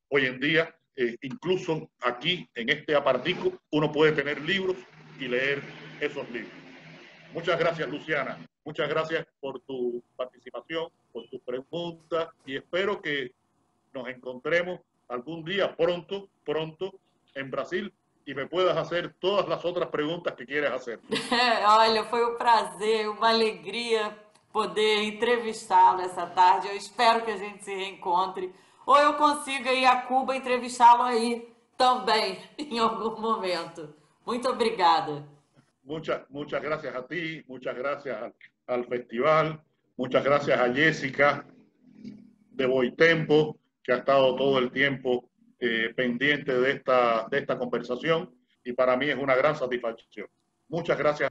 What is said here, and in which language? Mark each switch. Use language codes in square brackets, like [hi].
[es] Hoy en día, incluso aquí, en este apartico, uno puede tener libros y leer esos libros. Muchas gracias, Luciana. Muchas gracias por tu participación, por tus preguntas y espero que nos encontremos algún día pronto, pronto, en Brasil y me puedas hacer todas las otras preguntas que quieres hacer. [pt] Olha, foi um prazer, uma alegria poder entrevistá-lo essa tarde. Eu espero que a gente se reencontre ou eu consiga ir a Cuba entrevistá-lo aí também em algum momento. Muito obrigada. [es] Muchas gracias a ti, muchas gracias al festival, muchas gracias a Jessica de Boitempo, que ha estado todo el tiempo pendiente de esta conversación, y para mí es una gran satisfacción. Muchas gracias.